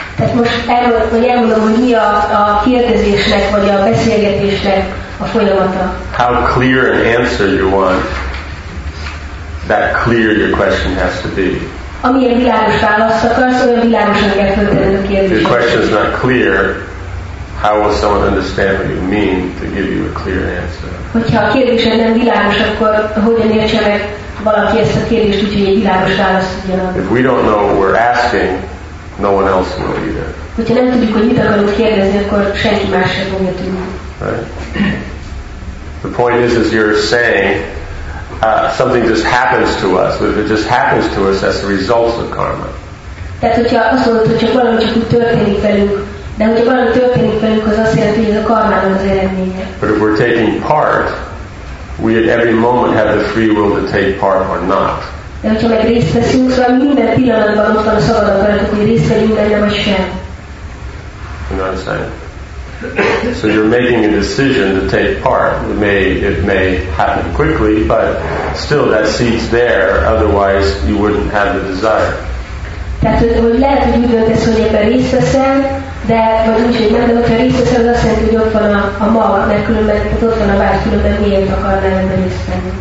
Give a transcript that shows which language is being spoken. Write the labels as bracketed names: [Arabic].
[Hungarian] Tehát most elmondom, hogy mi a kérdezésnek vagy a beszélgetésnek a folyamata. [English] How clear an answer you want? That clear your question has to be. [Hungarian] Amilyen világos választ akarsz, olyan világosan kell föltenni a kérdést. [English] If your question is not clear, how will someone understand what you mean to give you a clear answer? [Hungarian] Hogyha a kérdésed nem világos, akkor hogyan értse meg valaki ezt a kérdést, úgyhogy egy világos választ tudjanak? [English] If we don't know what we're asking, no one else will either. [Hungarian] Hogyha nem tudjuk, hogy mit akarunk kérdezni, akkor senki más sem fogja tudni. [English] Right. The point is you're saying, something just happens to us. If it just happens to us, that's the result of karma. [Hungarian] Tehát hogyha azt mondod, hogy csak valami csak úgy történik velünk, de hogyha valami történik velünk, az azt jelenti, hogy ez a karmának az eredménye. [English] But if we're taking part, we at every moment have the free will to take part or not. [Hungarian] De hogyha meg részt veszünk, szóval minden pillanatban ott van a szabad akaratok, hogy részt vegyünk benne vagy sem. [English] You know what I'm saying? So you're making a decision to take part. It may happen quickly, but still that seed's there, otherwise you wouldn't have the desire. [Hungarian] Tehát, hogy lehet, hogy úgy döntesz, hogy ebben részt veszel, de vagy úgy, hogy nem, de hogyha részt veszel, az azt jelenti, hogy ott van a mag, mert különben ott van a vágy, különben miért akarnál ebben részt venni.